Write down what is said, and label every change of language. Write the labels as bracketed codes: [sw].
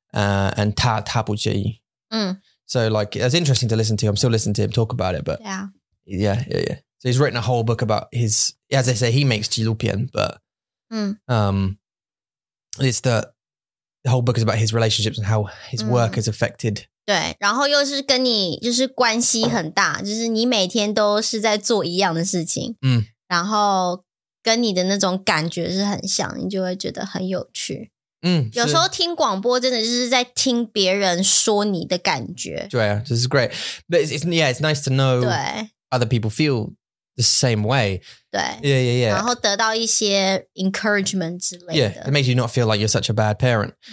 [en] And [zh] 他不介意、 [en] mm. So like, it's interesting to listen to. I'm still listening to him talk about it, but. Yeah. Yeah, yeah, yeah. So he's written a whole book about his, as I say, he makes 纪录片, but、mm. It's the whole book is about his relationships and how his work、mm. is affected. [zh] 对然后又是跟你就是关系很大就是你每天都是在做一样的事情、mm. 然后跟你的那种感觉是很像你就会觉得很有趣。嗯、有时候听广播真的就是在听别人说你的感觉。对啊 [en] this is great. But it's nice to know. [zh] 对 [en] Other people feel the same way. [zh] 对, [en] yeah, yeah, yeah. [zh] 然后得到一些 encouragement 之类的。 [en] Yeah, it makes you not feel like you're such a bad parent.